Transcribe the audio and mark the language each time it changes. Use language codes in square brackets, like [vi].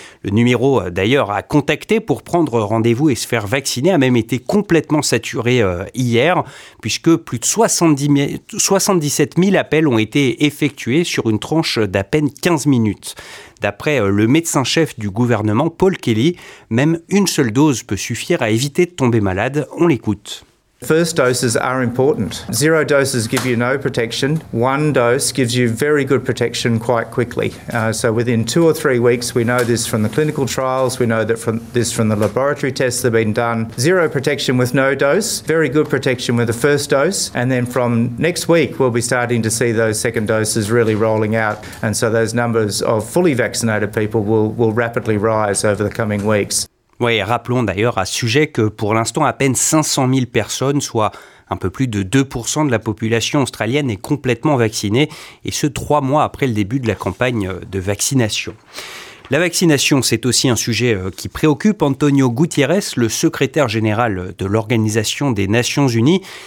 [fr] Le numéro d'ailleurs à contacter pour prendre rendez-vous et se faire vacciner a même été complètement saturé hier, puisque plus de 77 000 appels ont été effectués sur une tranche d'à peine 15 minutes. D'après le médecin-chef du gouvernement, Paul Kelly, même une seule dose peut suffire à éviter de tomber malade. On l'écoute. [en] First doses are important. Zero doses give you no protection. One dose gives you very good protection quite quickly. So within 2 or 3 weeks, we know this from the clinical trials, we know that from the laboratory tests that have been done. Zero protection with no dose, very good protection with the first dose. And then from next week, we'll be starting to see those second doses really rolling out. And so those numbers of fully vaccinated people will rapidly rise over the coming weeks. [fr] Oui, rappelons d'ailleurs à ce sujet que pour l'instant, à peine 500 000 personnes, soit un peu plus de 2% de la population australienne, est complètement vaccinée, et ce 3 mois après le début de la campagne de vaccination. La vaccination, c'est aussi un sujet qui préoccupe Antonio Guterres, le secrétaire général de l'Organisation des Nations Unies.